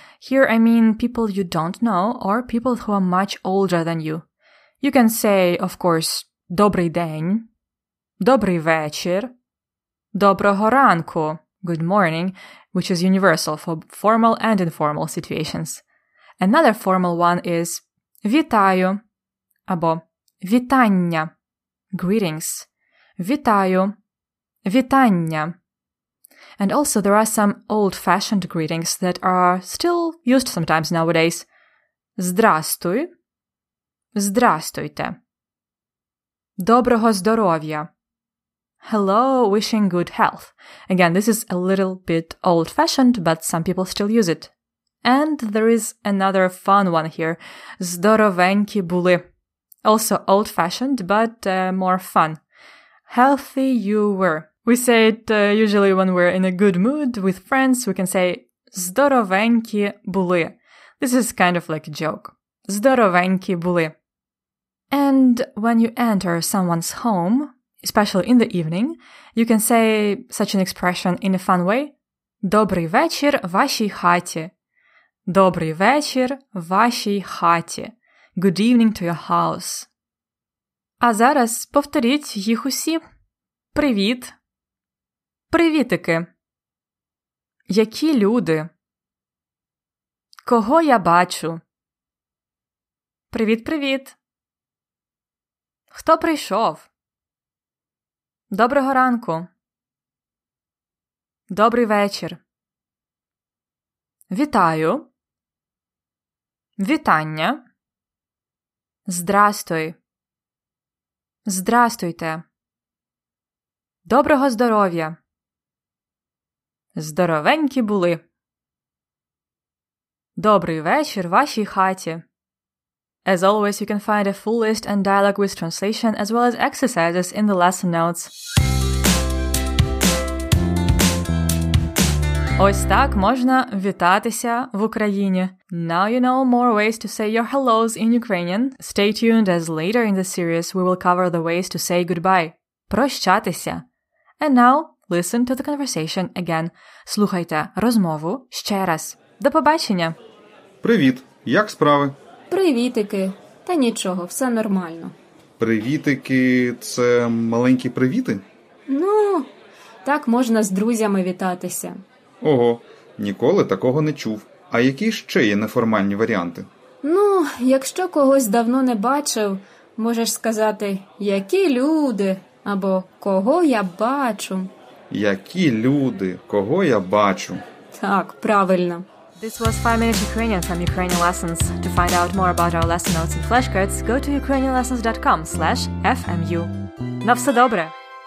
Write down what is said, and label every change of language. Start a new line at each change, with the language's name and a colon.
English: Here I mean people you don't know or people who are much older than you. You can say, of course,
Ukrainian: «Добрий день», «Добрий вечір», «Доброго ранку»,
English: «Good morning», which is universal for formal and informal situations. Another formal one is
Ukrainian: «Вітаю» або «Вітання»,
English: «Greetings», «Вітаю», «Вітання». And also there are some old-fashioned greetings that are still used sometimes nowadays.
Ukrainian: Здрастуй. Здрастуйте. Доброго здоров'я.
English: Hello, wishing good health. Again, this is a little bit old-fashioned, but some people still use it. And there is another fun one here.
Ukrainian: Здоровенькі були.
English: Also old-fashioned, but more fun. Healthy you were. We say it usually when we're in a good mood with friends, we can say
Ukrainian: «Здоровенькі були».
English: This is kind of like a joke.
Ukrainian: «Здоровенькі були».
English: And when you enter someone's home, especially in the evening, you can say such an expression in a fun way.
Ukrainian: Добрий вечір вашій хаті. Добрий вечір вашій хаті.
English: Good evening to your house.
Ukrainian: А зараз повторіть їх усі. Привіт. Привітики. Які люди? Кого я бачу? Привіт-привіт. Хто прийшов? Доброго ранку. Добрий вечір. Вітаю. Вітання. Здрастуй. Здрастуйте. Доброго здоров'я. Здоровенькі були. Добрий вечір вашій хаті.
English: As always, you can find a full list and dialogue with translation as well as exercises in the lesson notes.
Ukrainian: Ось так можна вітатися в Україні.
English: Now you know more ways to say your hellos in Ukrainian. Stay tuned as later in the series we will cover the ways to say goodbye.
Ukrainian: Прощатися.
English: And now, listen to the conversation again.
Ukrainian: Слухайте розмову ще раз. До побачення. Привіт. Як справи? Привітики. Та нічого, все нормально. Привітики – це маленькі привіти? Ну, так можна з друзями вітатися. Ого, ніколи такого не чув. А які ще є неформальні варіанти? Ну, якщо когось давно не бачив, можеш сказати «які люди» або «кого я бачу». Які люди, кого я бачу. Так, правильно.
English: This was 5 Minutes Ukrainian from Ukrainian Lessons. To find out more about our lesson notes and flashcards, go to ukrainianlessons.com/fmu.
Ukrainian: На все добре!